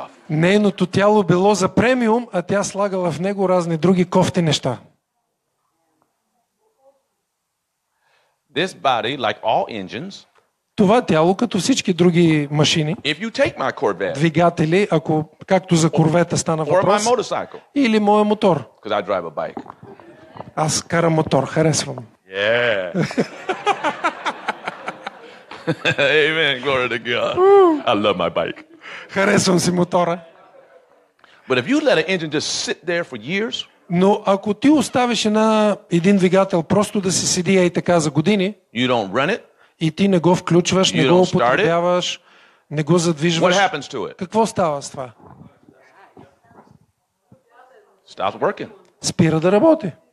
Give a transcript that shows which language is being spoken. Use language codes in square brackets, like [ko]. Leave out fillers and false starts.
[bg] Нейното тяло било за премиум, а тя слагала в него разни други кофти неща. [en] This body, like all engines, [bg] това тяло, като всички други машини, [en] Corvette, [bg] двигатели, ако както за корвета стана въпрос, или моя мотор. Аз карам мотор, харесвам. [en] Yeah. Amen, glory to God. I love my bike. [bg] Харесвам си мотора. [en] But if you let an engine just sit there for years, [bg] но ако ти оставиш един двигател просто да си седи и така за години, [en] you don't run it, [bg] и ти не го включваш, не го употребяваш, не го задвижваш. Какво става с това? Спира да работи.